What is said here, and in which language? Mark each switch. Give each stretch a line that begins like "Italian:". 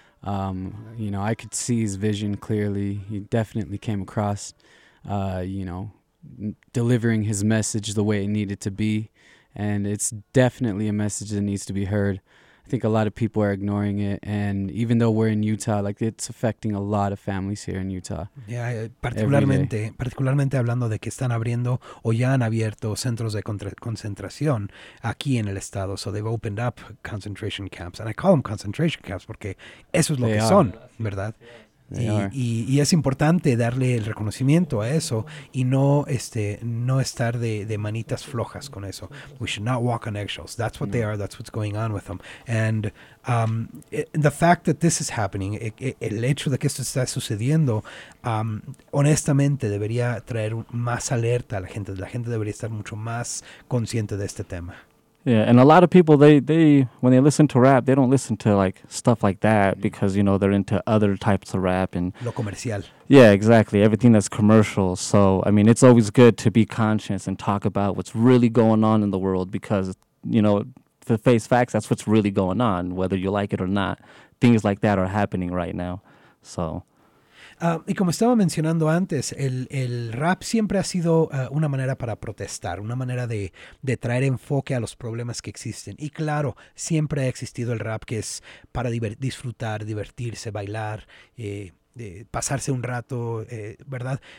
English: You know, I could see his vision clearly. He definitely came across, you know, delivering his message the way it needed to be, and it's definitely a message that needs to be heard. I think a lot of people are ignoring it, and even though we're in Utah, like, it's affecting a lot of families here in Utah.
Spanish: Yeah, particularmente hablando de que están abriendo o ya han abierto centros de concentración aquí en el estado.
English: So they've opened up concentration camps, and I call them concentration camps
Spanish: porque eso es lo que son, ¿verdad? Y es importante darle el reconocimiento a eso y no estar de manitas flojas con eso.
English: We should not walk on eggshells. That's what they are. That's what's going on with them. And the fact that this is happening,
Spanish: el hecho de que esto está sucediendo,
English: honestamente debería traer más alerta a la gente.
Spanish: La gente debería estar mucho más consciente de este tema.
English: Yeah, and a lot of people, they when they listen to rap, they don't listen to, like, stuff like that, because, you know, they're into other types of rap and
Spanish: lo comercial.
English: Yeah, exactly. Everything that's commercial. So, I mean, it's always good to be conscious and talk about what's really going on in the world, because, you know, to face facts, that's what's really going on, whether you like it or not. Things like that are happening right now. So
Spanish: Y como estaba mencionando antes, el rap siempre ha sido una manera para protestar, una manera de traer enfoque a los problemas que existen. Y claro, siempre ha existido el rap, que es para disfrutar, divertirse, bailar, pasarse un rato, ¿verdad?